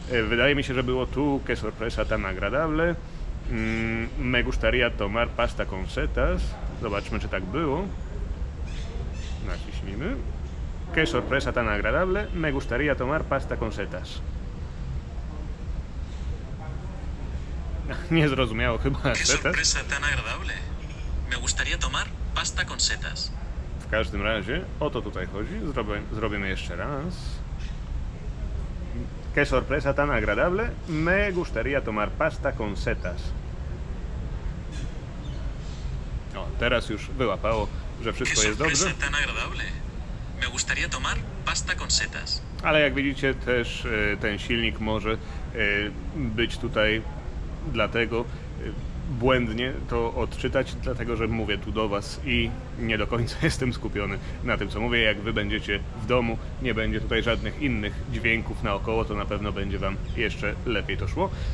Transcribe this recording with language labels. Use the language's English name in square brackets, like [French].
[Polish] Wydaje mi się, że było tu, [Spanish] que sorpresa tan agradable, me gustaría tomar pasta con setas, [Polish] zobaczmy, czy tak było, naciśnijmy, [Spanish] que sorpresa tan agradable, me gustaría tomar pasta con setas. [Polish] Nie zrozumiało chyba. [Spanish] Setas. Qué sorpresa tan agradable. Me gustaría tomar pasta con setas. [Polish] W każdym razie o to tutaj chodzi. Zrobimy jeszcze raz. [Spanish] Qué sorpresa tan agradable. Me gustaría tomar pasta con setas. [Polish] O, teraz już wyłapało, że wszystko jest dobrze. [Spanish] Qué sorpresa tan agradable. Me gustaría tomar pasta con setas. [Polish] Ale jak widzicie, też ten silnik może być tutaj. Dlatego błędnie to odczytać, dlatego że mówię tu do was i nie do końca jestem skupiony na tym, co mówię. Jak wy będziecie w domu, nie będzie tutaj żadnych innych dźwięków naokoło, to na pewno będzie wam jeszcze lepiej to szło.